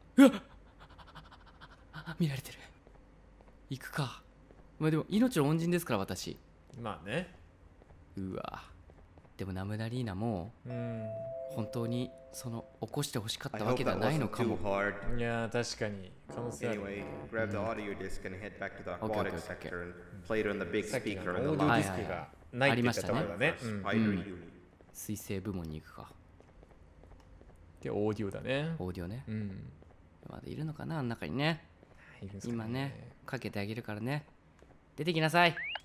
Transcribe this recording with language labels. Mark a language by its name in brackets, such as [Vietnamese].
[Japanese] うわ。見られてる。行くか。まあでも命の恩人ですから私。まあね。うわ。でもナムダリーナも本当にその起こしてほしかったわけではないのかも。いや確かに可能性ある。 [English] Anyway, grab the audio disc and head back to the aquatic sector and play it on the big speaker in the lounge. [Japanese] はいはいはい、ありましたね。水星部門に行くか。でオーディオだね。オーディオね、うん、まだいるのかな、あの中にね。いるんすかね。今ねかけてあげるからね。出てきなさい。